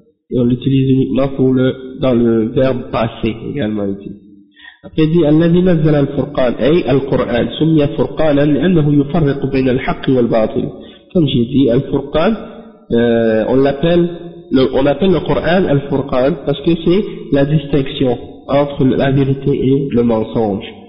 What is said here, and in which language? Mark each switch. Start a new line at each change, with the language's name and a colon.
French: Et on l'utilise uniquement pour dans le verbe passé également ici. Après il dit,
Arabic: الذي نزل الفرقان أي القرآن سمي فرقانا لأنه يفرق بين الحق والباطل.
French: Comme j'ai dit, Al-Furqan, on appelle le Coran Al-Furqan parce que c'est la distinction entre la vérité et le mensonge.